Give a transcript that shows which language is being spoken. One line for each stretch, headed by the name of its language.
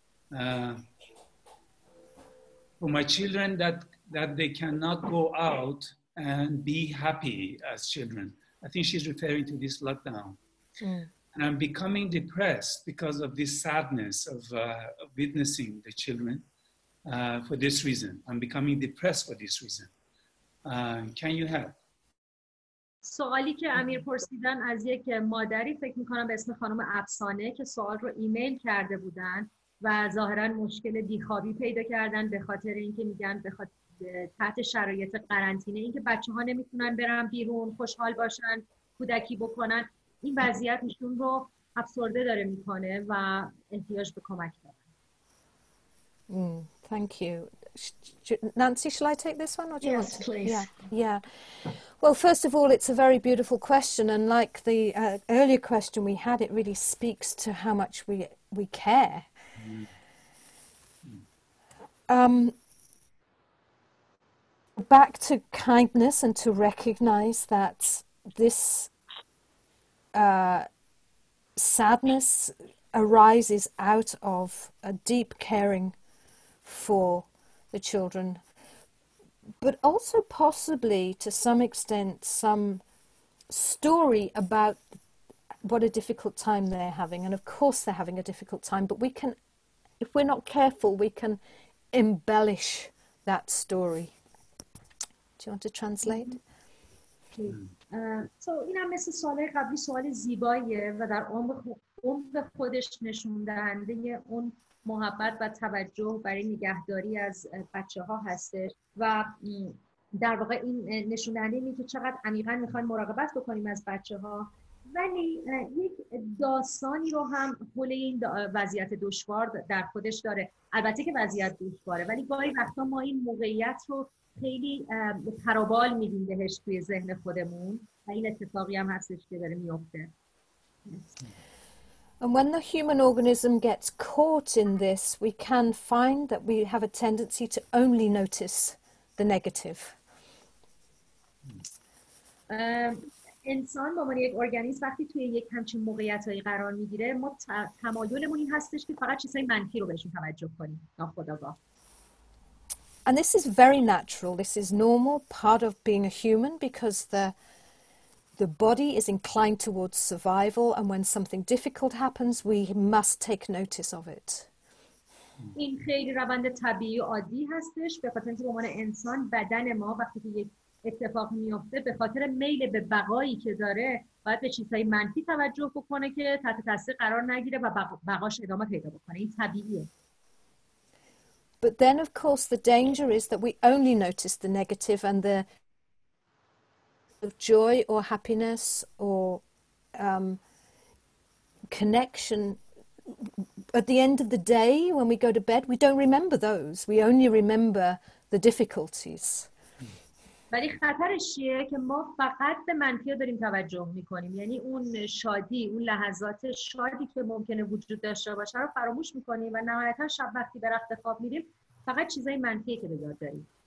English: For my children that they cannot go out and be happy as children. I think she's referring to this lockdown. Mm. And I'm becoming depressed because of this sadness of witnessing the children for this reason. I'm becoming depressed for this reason. Can you help?
Persian: سوالی که امیر پرسیدن از یک مادری فکر میکنم به اسم خانم افسانه که سوال رو ایمیل کرده بودن و ظاهرا مشکل بیخوابی پیدا کردن به خاطر اینکه میگن تحت شرایط قرنطینه اینکه بچه‌ها نمیتونن برن بیرون خوشحال باشن کودکی بکنن این وضعیت ایشون رو افسرده داره میکنه و احتیاج به کمک دارن.
English: Thank you. Nancy, shall I take this one or do you want to? Yeah. Well, first of all, it's a very beautiful question, and like the earlier question we had, it really speaks to how much we care. Back to kindness and to recognize that this sadness arises out of a deep caring for the children, but also possibly to some extent some story about what a difficult time they're having. And of course they're having a difficult time, but if we're not careful, we can embellish that story. Do you want to translate? So
Persian: این هم مثل سوال قبلی سوال زیباییه و در عمق خودش نشون دهنده اون محبت و توجه برای نگهداری از بچه‌ها هستش و در واقع این نشون دهنده اینه که چقدر عمیقا می‌خوایم مراقبت بکنیم از بچه‌ها. ولی یک داستانی رو هم حول این وضعیت دشوار در خودش داره. البته که وضعیت دشواره ولی گاهی وقتا ما این موقعیت رو خیلی پروبال میدیم بهش توی ذهن خودمون و این اتفاقی هم هستش که داره میفته.
English: And when the human organism gets caught in this, we can find that we have a tendency to only notice the negative.
Persian: انسان با من یک ارگانیسم وقتی توی یک همچین موقعیتایی قرار میگیره ما تمایلمون این هستش که فقط چیزای منفی رو بهشون توجه کنیم ناخودآگاه.
English: And this is very natural, this is normal, part of being a human, because the body is inclined towards survival, and when something difficult happens we must take notice of it.
Persian: این خیلی روند طبیعی عادی هستش به خاطر اینکه به عنوان انسان بدن ما وقتی که یک اتفاق میفته به خاطر میل به بقایی که داره باید به چیزهای منفی توجه بکنه که تحت تاثیر قرار نگیره و بقاش ادامه پیدا بکنه. این طبیعیه.
English: But then of course the danger is that we only notice the negative and the joy or happiness or connection at the end of the day when we go to bed, we don't remember those. We only remember the difficulties.
Persian: ولی خطرش چیه که ما فقط به منفی داریم توجه میکنیم، یعنی اون شادی، اون لحظات شادی که ممکنه وجود داشته باشه رو فراموش میکنیم و نهایتا شب وقتی به رخت خواب میریم فقط چیزای منفیه که به یاد داریم.